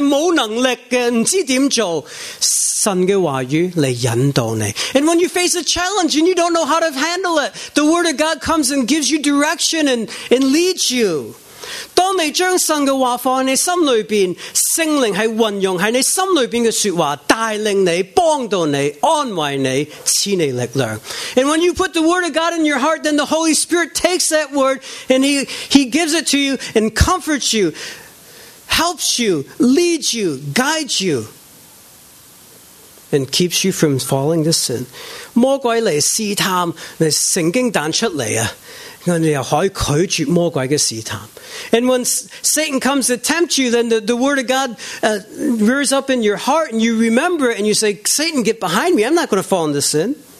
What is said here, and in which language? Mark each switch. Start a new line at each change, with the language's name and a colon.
Chinese: 当你是有面对挑战是没能力的不知怎么做, 神的话语来引导你.
English: And when you face a challenge and you don't know how to handle it, the word of God comes and gives you direction and leads you.
Chinese: 当你将神的话放在你心里边, 圣灵是运用在你心里边的说话带领你帮助你安慰你赐你力量.
English: And when you put the word of God in your heart, then the Holy Spirit takes that word and he gives it to you and comforts you, helps you, leads you, guides you, and keeps you from falling to sin.
Chinese: 魔鬼来试探,圣经弹出来啊, 你又可以拒绝魔鬼的试探.
English: And when Satan comes to tempt you, then the word of God rears up in your heart, and you remember it, and you say, Satan, get behind me, I'm not going to fall into sin.